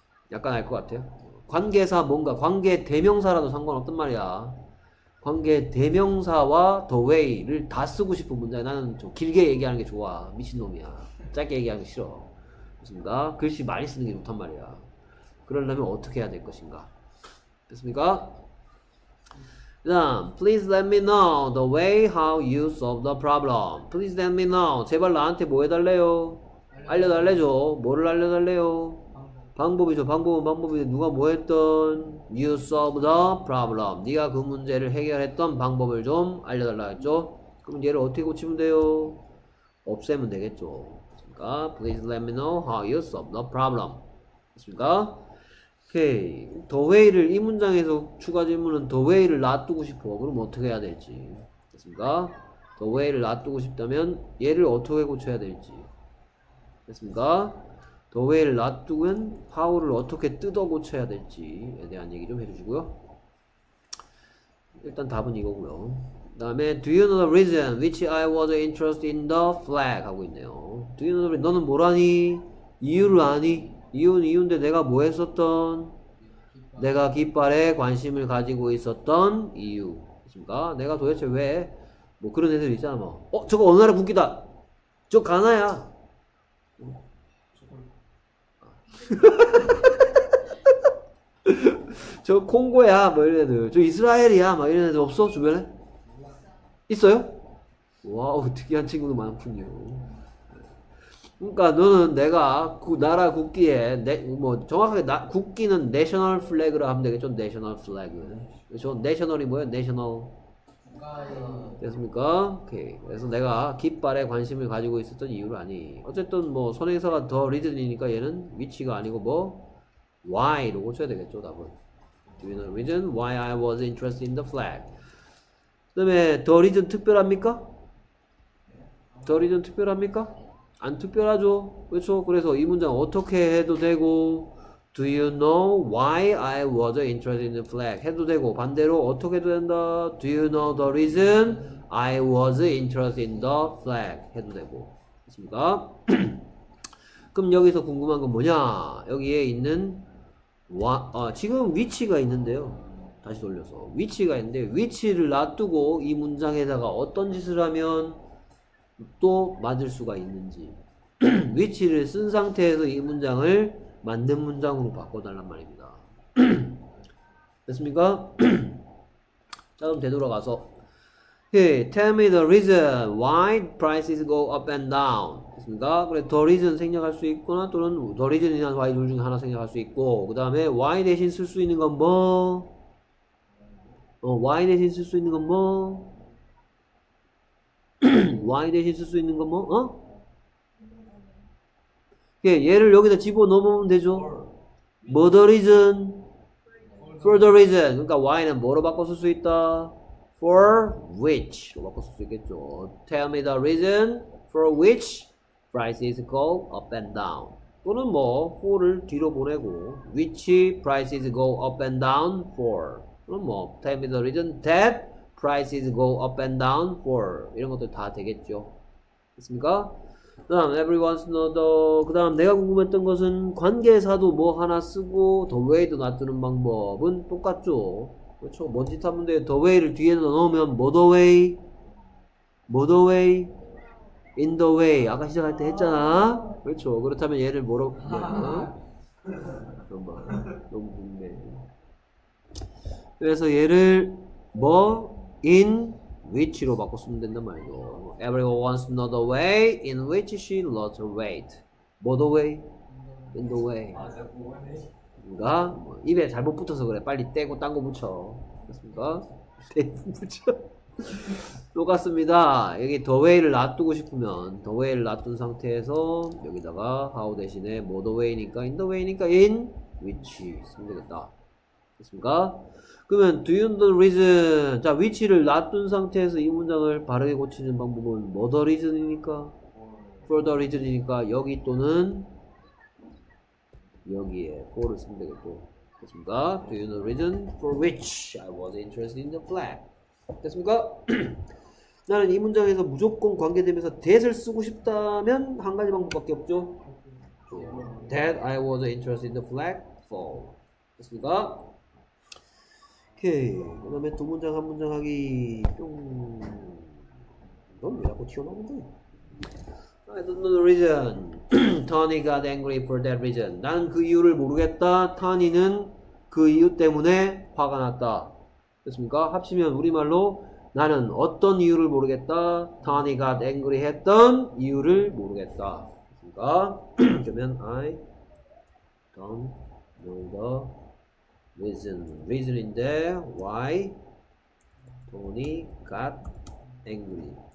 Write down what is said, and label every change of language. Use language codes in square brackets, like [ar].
[ko] 약간 알것 같아요. 관계사 뭔가 관계 대명사라도 상관없단 말이야. 관계 대명사와 the way를 다 쓰고 싶은 문제야. 나는 좀 길게 얘기하는 게 좋아. 미친놈이야. 짧게 얘기하는 게 싫어. 됐습니까? 글씨 많이 쓰는 게 좋단 말이야. 그러려면 어떻게 해야 될 것인가? 됐습니까? 그다음, [en] please let me know the way how you solve the problem. Please let me know. [ko] 제발 나한테 뭐 해달래요? 알려달래죠. 뭐를 알려달래요? 방법이죠. 방법은 방법인데 누가 뭐 했던? [en] You solve the problem. [ko] 네가 그 문제를 해결했던 방법을 좀 알려달라 했죠. 그럼 얘를 어떻게 고치면 돼요? 없애면 되겠죠. 그러니까 [en] please let me know how you solve the problem. [ko] 그러니까. 오케이. Okay. The way를 이 문장에서 추가 질문은 the way를 놔두고 싶어. 그럼 어떻게 해야 될지. 됐습니까? The way를 놔두고 싶다면 얘를 어떻게 고쳐야 될지. 됐습니까? The way를 놔두면 how를 어떻게 뜯어 고쳐야 될지에 대한 얘기 좀 해주시고요. 일단 답은 이거고요. 그다음에 [en] Do you know the reason which I was interested in the flag [ko] 하고 있네요. [en] Do you know the reason? [ko] 너는 뭘 아니? 이유를 아니? 이유는 이유인데 내가 뭐 했었던? 내가 깃발에 관심을 가지고 있었던 이유. 그니까 내가 도대체 왜? 뭐 그런 애들 있잖아. 뭐. 저거 어느 나라 국기다. 저 가나야. 저 콩고야. 뭐 이런 애들. 저 이스라엘이야. 막 이런 애들 없어? 주변에? 있어요? 와우, 특이한 친구도 많군요. 그러니까 너는 내가 그 나라 국기에 뭐 정확하게 국기는 내셔널 플래그라 하면 되겠죠. 내셔널 플래그. 저 내셔널이 뭐예요? 내셔널. 됐습니까? 오케이. 그래서 내가 깃발에 관심을 가지고 있었던 이유를 아니. 어쨌든 뭐 선행사가 더 리즌이니까 얘는 위치가 아니고 뭐 why로 고쳐야 되겠죠. 답은. 오케이. [en] Do you know the reason why I was interested in the flag? [ko] 그 다음에 더 리전 특별합니까? 더 리전 특별합니까? 안 특별하죠. 그렇죠? 그래서 이 문장 어떻게 해도 되고 [en] Do you know why I was interested in the flag? [ko] 해도 되고 반대로 어떻게 해도 된다? [en] Do you know the reason I was interested in the flag? [ko] 해도 되고 됐습니까? 그럼 여기서 궁금한 건 뭐냐? 여기에 있는 지금 위치가 있는데요. 다시 돌려서 위치가 있는데 위치를 놔두고 이 문장에다가 어떤 짓을 하면 또 맞을 수가 있는지 위치를 쓴 상태에서 이 문장을 맞는 문장으로 바꿔달란 말입니다. 됐습니까? 자 그럼 되돌아가서 [en] Hey, tell me the reason why prices go up and down. [ko] 됐습니까? 그래, the reason 생략할 수 있거나 또는 the reason이나 why 둘 중에 하나 생략할 수 있고 그 다음에 why 대신 쓸 수 있는 건 뭐? why 대신 쓸 수 있는 건 뭐? why 대신 쓸 수 있는 건 뭐? 어? 예, 얘를 여기다 집어넣으면 되죠. [en] For the reason. For the reason. [ko] 그러니까 why는 뭐로 바꿔 쓸 수 있다? For which. 로 바꿔 쓸 수 있겠죠. [en] Tell me the reason for which prices go up and down. [ko] 또는 뭐 [en] for를 [ko] 뒤로 보내고 [en] which prices go up and down for. [ko] 그럼 뭐 [en] tell me the reason that prices go up and down for. [ko] 이런 것들 다 되겠죠. 됐습니까? 그 다음 [en] everyone's know the [ko] 그 다음 내가 궁금했던 것은 관계사도 뭐 하나 쓰고 the way도 놔두는 방법은 똑같죠. 그렇죠. 뭔 짓 하면 돼요. the way를 뒤에 넣으면 [en] what the way in the way [ko] 아까 시작할 때 했잖아. 그렇죠. 그렇다면 얘를 뭐로 너무 궁금해. 그래서 얘를 뭐 in which로 바꿨으면 된단 말이죠. [en] Everyone wants to know the way in which she lost her weight. By the way, in the way. [ko] 뭔가 뭐 입에 잘못 붙어서 그래. 빨리 떼고 딴 거 붙여. 됐습니까? 떼고 붙여. 똑같습니다. 여기 the way를 놔두고 싶으면 the way를 놔둔 상태에서 여기다가 how 대신에 by the way니까 in the way니까 in which 쓰면 되겠다. 됐습니까? 그러면 [en] do you know the reason? [ko] 자 위치를 놔둔 상태에서 이 문장을 바르게 고치는 방법은 for the reason이니까 for the reason이니까 여기 또는 여기에 for를 쓰면 되겠고 됐습니까? [en] Do you know the reason for which I was interested in the flag? [ko] 됐습니까? 나는 이 문장에서 무조건 관계되면서 that을 쓰고 싶다면 한 가지 방법밖에 없죠. [en] That I was interested in the flag for. [ko] 됐습니까? 오케이. 그 다음에 두 문장 한 문장 하기 뿅. 넌 왜 자꾸 튀어나오는데? [en] I don't know the reason. Tony got angry for that reason. [ko] 나는 그 이유를 모르겠다. Tony는 그 이유 때문에 화가 났다. 됐습니까? 합치면 우리말로 나는 어떤 이유를 모르겠다. [en] Tony got angry [ko] 했던 이유를 모르겠다. 됐습니까? [en] 그러면 I don't know the reason in there why Tony got angry.